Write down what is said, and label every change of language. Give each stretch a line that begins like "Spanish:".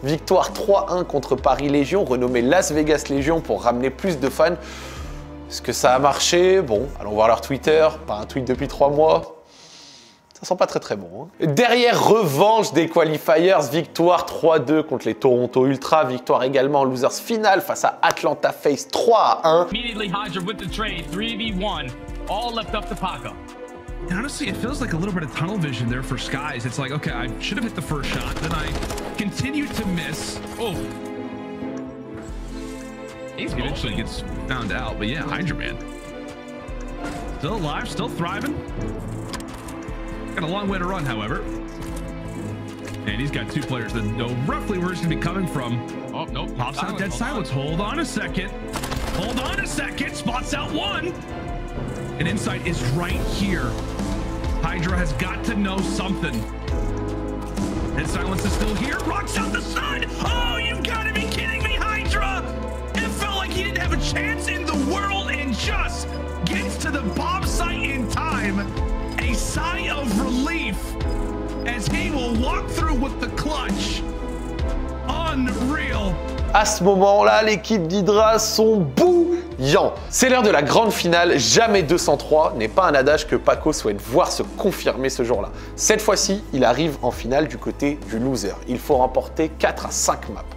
French: Victoire 3-1 contre Paris Légion, renommée Las Vegas Légion pour ramener plus de fans. Est-ce que ça a marché? Bon, allons voir leur Twitter. Pas un tweet depuis 3 mois. Ça sent pas très très bon. Hein. Derrière, revanche des Qualifiers, victoire 3-2 contre les Toronto Ultra. Victoire également en losers finale face à Atlanta FaZe 3-1.
English: Immediately Hydra with the trade, 3v1, all left up to Paco. Honestly, it feels like a little bit of tunnel vision there for Skies. It's like, okay, I should have hit the first shot, then I continue to miss. Oh. He's eventually gets found out, but yeah, Hydra Man. Still alive, still thriving. Got a long way to run, however. And he's got two players that know roughly where he's gonna be coming from. Oh, nope. Pops out dead silence. Hold on a second. Hold on a second. Spots out one. And Insight is right here. Hydra has got to know something. Dead Silence is still here. Rocks out the sun. Oh, you've got to be kidding me, Hydra. It felt like he didn't have a chance in the world and just gets to the bomb site in time. A sigh of relief as he will walk through with the clutch. Unreal.
French: À ce moment-là, l'équipe d'Hydra sont bouillants. C'est l'heure de la grande finale, jamais 203 n'est pas un adage que Paco souhaite voir se confirmer ce jour-là. Cette fois-ci, il arrive en finale du côté du loser. Il faut remporter 4 à 5 maps.